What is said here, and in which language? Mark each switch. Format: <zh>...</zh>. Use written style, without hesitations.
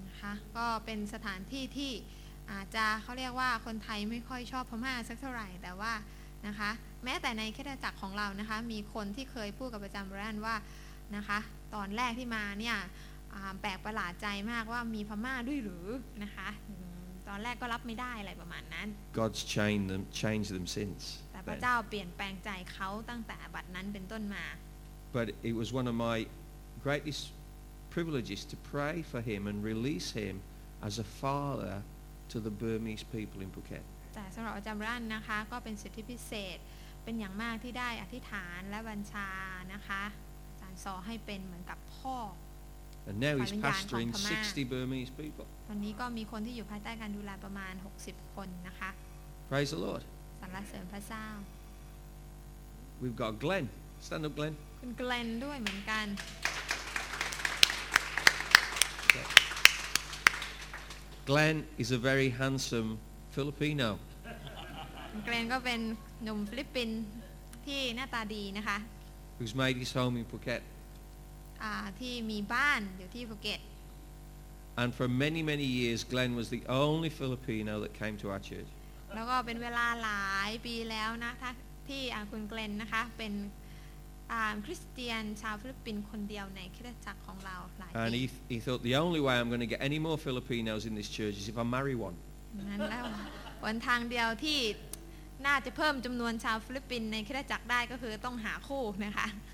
<th>นะคะก็เป็นสถานที่ที่อาจจะเขาเรียกว่าคนไทยไม่ค่อยชอบพม่าสักเท่าไหร่แต่ว่านะคะแม้แต่ในคริสตจักรของเรานะคะมีคนที่เคยพูดกับอาจารย์แบรนด์ว่านะคะตอนแรกที่มาเนี่ยแปลกประหลาดใจมากว่ามีพม่าด้วยหรือนะคะตอนแรกก็รับไม่ได้อะไรประมาณนั้น</th> <en>God's changed them since</en> <th>แต่พระเจ้าเปลี่ยนแปลงใจเขาตั้งแต่บัดนั้นเป็นต้นมา</th> <en>But it was one of my greatest privileges to pray for him and release him as a father to the Burmese people in Phuket</en> <th>แต่สำหรับอาจารย์รันนะคะก็เป็นสิทธิพิเศษเป็นอย่างมากที่ได้อธิษฐานและบัญชานะคะอาจารย์ซอให้เป็นเหมือนกับพ่อ</th> <en>And now he's pastoring 60 Burmese people.</en> <th>ตอนนี้ก็มีคนที่อยู่ภายใต้การดูแลประมาณ60คนนะคะ</th> <en>Praise the Lord.</en> <th>สรรเสริญพระเจ้า</th> <en>We've got Glenn. Stand up, Glenn.</en> <th>คุณ Glenn ด้วยเหมือนกัน</th> <en>Glenn is a very handsome Filipino.</en> <th>Glenn ก็เป็นหนุ่มฟิลิปปินส์ที่หน้าตาดีนะคะ</th> <en>Who's made his home in Phuket</en> <th>ที่มีบ้านอยู่ที่ภูเก็ต</th> <en>And for many many years Glenn was the only Filipino that came to our church</en> <th>แล้วก็เป็นเวลาหลายปีแล้วนะที่คุณ Glenn นะคะเป็นคริสเตียนชาวฟิลิปปินส์คนเดียวในคริสตจักรของเราหลายปี</th> <en>And he thought the only way I'm going to get any more Filipinos in this church is if I marry one</en> <th>นั่นแล้ววันทางเดียวที่น่าจะเพิ่มจำนวนชาวฟิลิปปินส์ในคริสตจักรได้ก็คือต้องหาคู่นะคะ</th>